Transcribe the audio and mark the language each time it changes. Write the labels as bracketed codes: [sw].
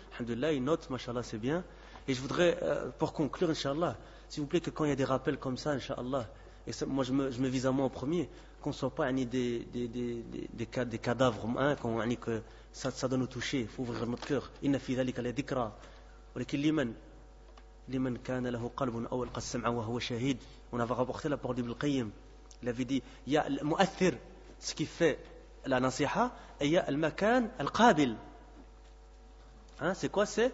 [fr] Alhamdulillah, ils notent, machallah, c'est bien. Et je voudrais, pour conclure, inshallah, s'il vous plaît, que quand il y a des rappels comme ça, inshallah, et ça, moi, je me vise à moi en premier, qu'on ne soit pas ni des cadavres, hein, ni que ça doit nous toucher, il faut ouvrir notre cœur. [ar] Inna fi dhalika la dhikra. لمن كان له قلب أو ألقى السمع وهو شهيد. [fr] On avait rapporté la parole d'Ibn Qayyim. Il avait dit, il y a le mu'athir, ce qui fait la nasiha, et il y a le makan, le qabil. Hein, c'est quoi?